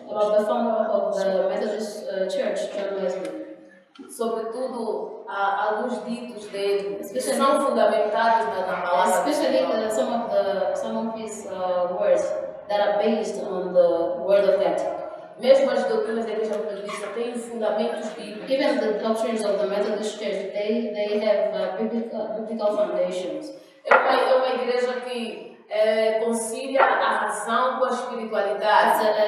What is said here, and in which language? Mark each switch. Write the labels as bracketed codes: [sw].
[en] About the founder of the Methodist Church, John Wesley. [pt] Sobretudo alguns ditos dele, que são fundamentados na palavra. [en] Especially some of his words that are based on the word of God. [pt] Mesmo as doutrinas da Igreja Metodista têm fundamentos bíblicos. [en] Even the doctrines of the Methodist Church, they have biblical foundations. [pt] É uma igreja que concilia a razão com a espiritualidade.